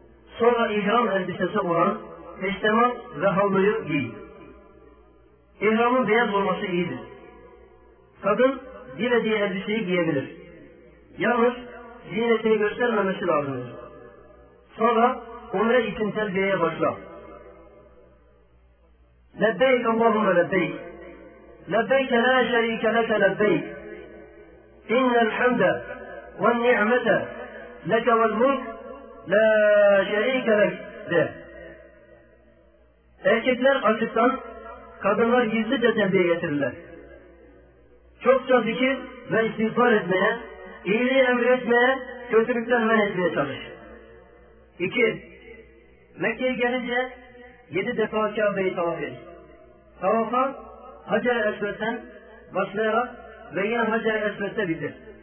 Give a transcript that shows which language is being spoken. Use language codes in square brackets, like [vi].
[tr] Sonra ihram elbisesi olan peştemal ve havluyu giy. İhramın beyaz olması iyidir. Kadın dilediği elbiseyi giyebilir. Yalnız ziynetini göstermemesi lazımdır. Sonra umre için terbiyeye başla. [ar] Lebbeyk Allahümme lebbeyk. لبيك لا شريك لك لبيك إن الحمد والنعمة لك والملك لا شريك لك ده. [tr] Erkekler açıktan, kadınlar gizlice tembih getirirler. Çokça zikir ve istiğfar etmeye, iyiliği emretmeye, kötülükten men etmeye çalış. 2. Mekke'ye gelince 7 defa Kabe'yi tavaf et. Tavafa Hacer-i Esved'den başlayarak ve yine Hacer-i Esved'de bitir.